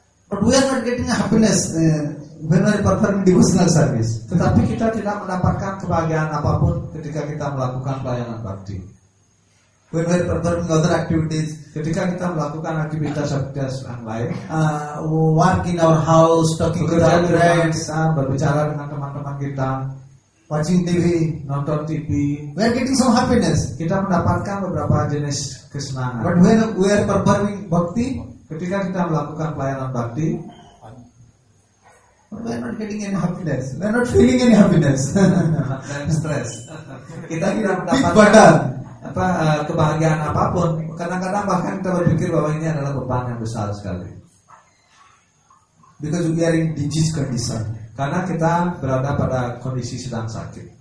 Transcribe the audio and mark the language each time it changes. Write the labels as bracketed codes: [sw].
[en] But we are not getting happiness when we perform devotional service. [id] Tetapi kita tidak mendapatkan kebahagiaan apapun ketika kita melakukan pelayanan bhakti. [en] When we perform other activities, [id] ketika kita melakukan aktivitas-aktivitas yang lain, [en] work in our house, talking to our friends, [id] berbicara dengan teman-teman kita, [en] watching TV, [id] nonton TV, [en] we are getting some happiness. [id] Kita mendapatkan beberapa jenis kesenangan. [en] But when we are performing bhakti, [id] ketika kita melakukan pelayanan bhakti, [en] we are not getting any happiness. We are not feeling any happiness. [id] Dan stress. Kita tidak mendapatkan apa kebahagiaan apapun. Kadang-kadang bahkan kita berpikir bahwa ini adalah beban yang besar sekali. [en] Because we are in disease condition. [id] Karena kita berada pada kondisi sedang sakit.